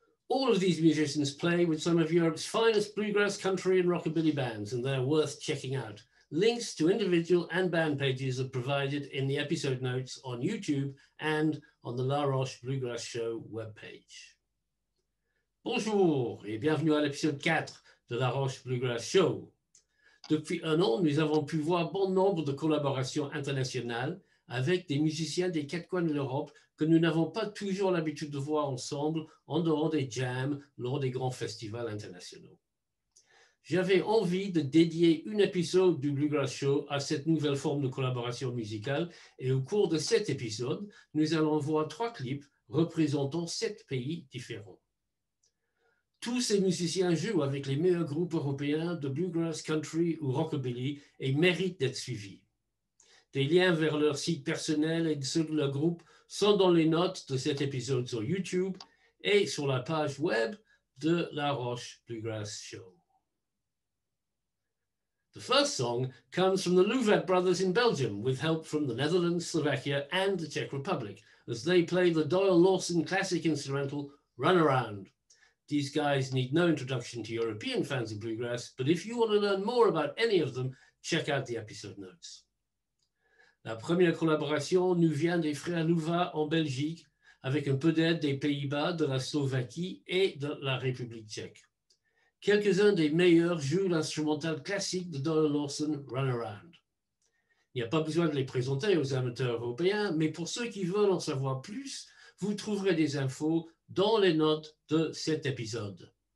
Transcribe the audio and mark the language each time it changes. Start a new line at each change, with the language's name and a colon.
English: All of these musicians play with some of Europe's finest bluegrass, country, and rockabilly bands, and they're worth checking out. Links to individual and band pages are provided in the episode notes on YouTube and on the La Roche Bluegrass Show webpage.
French: Bonjour et bienvenue à l'épisode 4 de La Roche Bluegrass Show. Depuis un an, nous avons pu voir bon nombre de collaborations internationales avec des musiciens des quatre coins de l'Europe que nous n'avons pas toujours l'habitude de voir ensemble en dehors des jams lors des grands festivals internationaux. J'avais envie de dédier un épisode du Bluegrass Show à cette nouvelle forme de collaboration musicale et au cours de cet épisode, nous allons voir 3 clips représentant 7 pays différents. Tous ces musiciens jouent avec les meilleurs groupes européens de bluegrass, country ou rockabilly et méritent d'être suivis. Des liens vers leur site personnel et ceux de leur groupe sont dans les notes de cet épisode sur YouTube et sur la page web de La Roche Bluegrass Show.
English: The first song comes from the Louvet brothers in Belgium with help from the Netherlands, Slovakia and the Czech Republic as they play the Doyle Lawson classic instrumental Runaround. These guys need no introduction to European fans of bluegrass, but if you want to learn more about any of them, check out the episode notes.
French: La première collaboration nous vient des frères Louvet en Belgique avec un peu d'aide des Pays-Bas, de la Slovaquie et de la République tchèque. Quelques-uns des meilleurs jouent l'instrumental classique de Doyle Lawson, Runaround. Il n'y a pas besoin de les présenter aux amateurs européens, mais pour ceux qui veulent en savoir plus, vous trouverez des infos dans les notes de cet épisode.